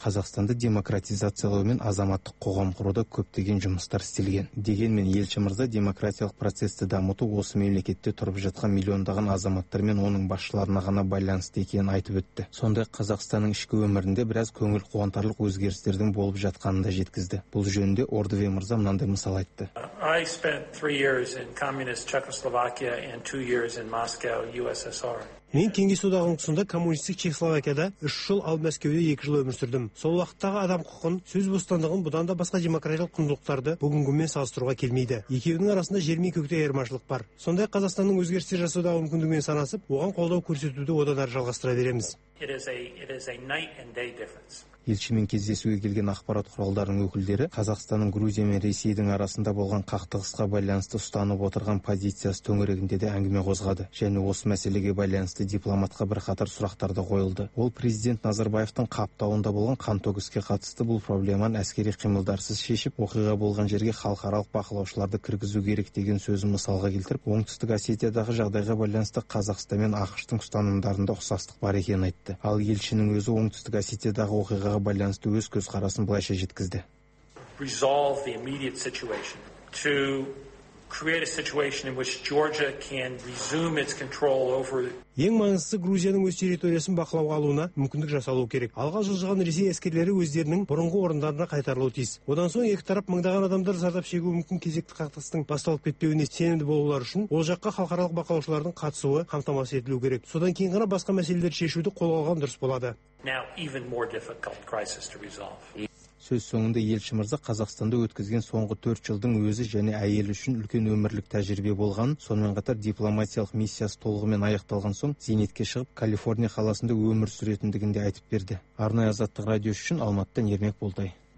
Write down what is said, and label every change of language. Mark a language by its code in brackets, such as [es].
[kk] Қазақстанды демократизациялау мен азаматтық қоғам құруда көптеген жұмыстар істелген. Дегенмен елші мырза демократиялық процесті дамыту осы мемлекетте тұрып жатқан миллиондаған азаматтар мен оның басшыларына ғана байланысты екенін айтып өтті. Сонда Қазақстанның ішкі өмірінде біраз көңіл қуантарлық өзгерістердің болып жатқанын да жеткізді. Бұл жөнінде Ордвей мырза мынандай мысал айтты. [en] I spent 3 years in communist Czechoslovakia and 2 years in Moscow, USSR. [kk] Мен Кеңес одағының тұсында коммунистік Чехословакияда 3 жыл ал Мәскеуде 2 жыл өмір сүрдім. Сол уақыттағы адам құқын, сөз бостандығын бұдан да басқа демократиялық құндылықтарды бүгінгімен салыстыруға келмейді. Екеудің арасында жер мен көктей айырмашылық бар. Сонда Қазақстанның өзгерістер жасаудағы мүмкіндігімен санасып, оған қолдау көрсетуді одан әрі жалғастыра береміз. [en] It is a night and day difference. [kk] Елшімен кездесуге келген ақпарат құралдарының өкілдері Қазақстанның Грузия мен Ресейдің арасында болған қақтығысқа байланысты ұстанып отырған позициясы төңірегінде де әңгіме қозғады. Және осы мәселеге байланысты дипломатқа бірқатар сұрақтар да қойылды. Ол президент Назарбаевтың қаптауында болған қантөгіске қатысты бұл проблеманы әскери қимылдарсыз шешіп, оқиға болған жерге халықаралық бақылаушыларды кіргізу керек деген сөзін мысалға келтіріп, оңтүстік Осетиядағы жағдайға байланысты Қазақстан мен ақштың ұстанымдарында ұқсастық бар екенін айтты. Ал елшінің өзі оңтүстік Осетиядағы оқиға байланысты өз көз қарасын былайша жеткізді. [en] Resolve the immediate situation to create a situation in which Georgia can resume its control over. [kk] Ең маңыздысы Грузияның өз территориясын бақылауға алуына мүмкіндік жасалуы керек. Алға жылжыған Ресей әскерлері өздерінің бұрынғы орындарына қайтарылуы тиіс. Одан соң екі тарап мыңдаған адамдар зардап шегуі мүмкін кезекті қақтығыстың басталып кетпеуіне сенімді болулары үшін ол жаққа халықаралық бақылаушылардың қатысуы қамтамасыз етілуі керек. Содан кейін ғана басқа мәселелерді шешуді қолға алған дұрыс болады. [en] Now even more difficult crisis to resolve. [kk] Сөз соңында елші мырза Қазақстанда өткізген соңғы 4 жылдың өзі және әйелі үшін үлкен өмірлік тәжірибе болған, сонымен қатар дипломатиялық миссиясы толығымен аяқталған соң зейнетке шығып Калифорния қаласында өмір сүретіндігін де айтып берді. Арнай Азаттық радиосы үшін Алматыдан Ермек Болтай.